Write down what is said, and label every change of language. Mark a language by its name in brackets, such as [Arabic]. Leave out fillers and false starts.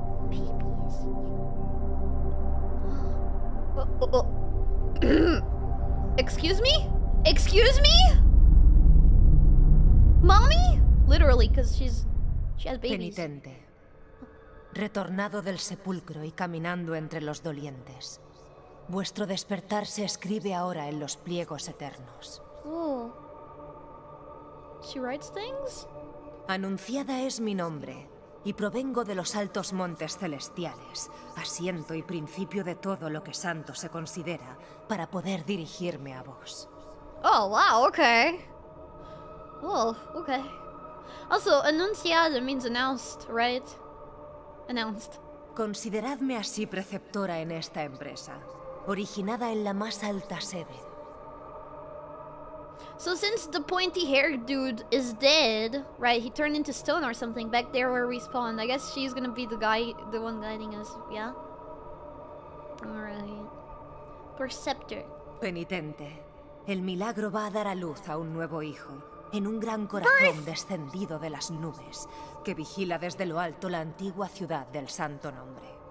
[English] Babies. Excuse me? Excuse me? Mommy? Literally, because she has babies. [Spanish] Penitente. Retornado del sepulcro y caminando entre los dolientes. Vuestro despertar se escribe ahora en los pliegos eternos. [English] Oh. She writes things? [Spanish] Anunciada es mi nombre, y provengo de los altos montes celestiales, asiento y principio de todo lo que santo se considera para poder dirigirme a vos. [English] Oh, wow, okay. Oh, okay. Also, anunciada means announced, right? Announced. [Spanish] Consideradme así preceptora en esta empresa, originada en la más alta sede. [English] So since the pointy-haired dude is dead, right, he turned into stone or something back there where we spawned, I guess she's gonna be the one guiding us, yeah? Alright. Perceptor. [Spanish] Penitente, el milagro va a dar a luz a un nuevo hijo, en un gran corazón descendido de las nubes, que vigila desde lo alto la antigua ciudad del santo nombre.